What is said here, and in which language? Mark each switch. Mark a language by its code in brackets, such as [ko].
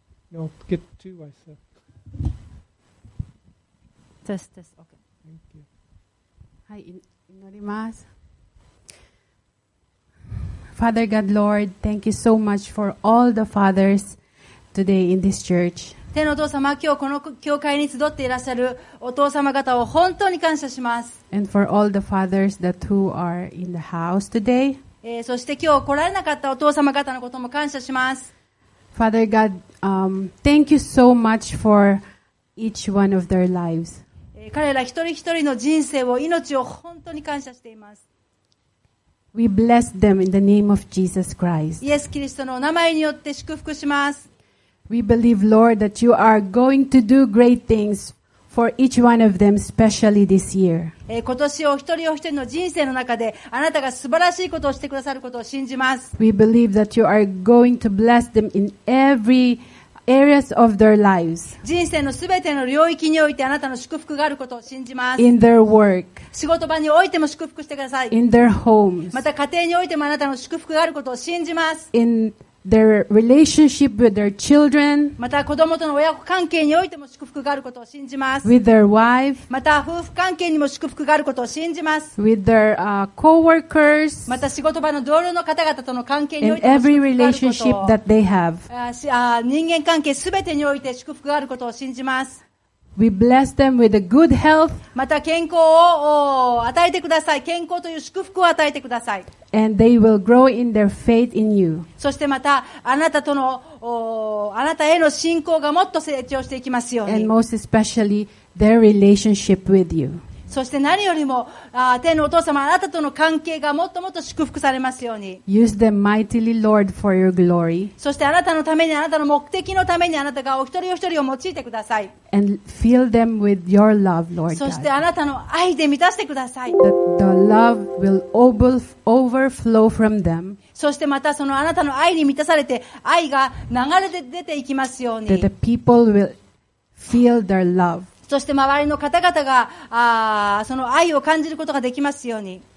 [en] No, get two, I said. Test, okay. Thank you. [ja] Hi, inorimasu. [en] Father God, Lord, thank you so much for all the fathers today in this church. [ja] 天のお父様、今日この教会に集っていらっしゃるお父様方を本当に感謝します。 [en] And for all the fathers that who are in the house today. [ja] そして今日来られなかったお父様方のことも感謝します。 [en] Father God, thank you so much for each one of their lives. [ja] 彼ら一人一人の人生を、命を本当に感謝しています。 [en] We bless them in the name of Jesus Christ. [ja] イエス・キリストの名前によって祝福します。 [en] We believe, Lord, that you are going to do great things for each one of them, especially this year. [ja] 今年を一人お一人の人生の中で、あなたが素晴らしいことをしてくださることを信じます。 [en] We believe that you are going to bless them in every areas of their lives. [ja] 人生のすべての領域においてあなたの祝福があることを信じます。 [en] In their work. [ja] 仕事場においても祝福してください。 [en] In their homes. [ja] また家庭においてもあなたの祝福があることを信じます。 [en] In their relationship with their children. [ja] また子供との親子関係においても祝福があることを信じます。 [en] With their wife. [ja] また夫婦関係にも祝福があることを信じます。 [en] With their co-workers. [ja] また仕事場の同僚の方々との関係においても祝福があることを。 [en] In every relationship that they have. [ja] 人間関係すべてにおいて祝福があることを信じます。 [en] We bless them with a good health. [ja] また健康を与えてください。健康という祝福を与えてください。 [en] And they will grow in their faith in you. [ja] そしてまたあなたとのあなたへの信仰がもっと成長していきますように。 [en] And most especially their relationship with you. [ja] そして何よりも天のお父様あなたとの関係がもっともっと祝福されますように。 [en] Use them mightily, Lord, for your glory. [ja] そしてあなたのためにあなたの目的のためにあなたがお一人お一人を用いてください。 [en] And fill them with your love, Lord. [ja] そしてあなたの愛で満たしてください。 [en] That the love will overflow from them. [ja] そしてまたそのあなたの愛に満たされて愛が流れて出ていきますように。 [en] That the people will feel their love. [ja] そして周りの方々がその愛を感じることができますように。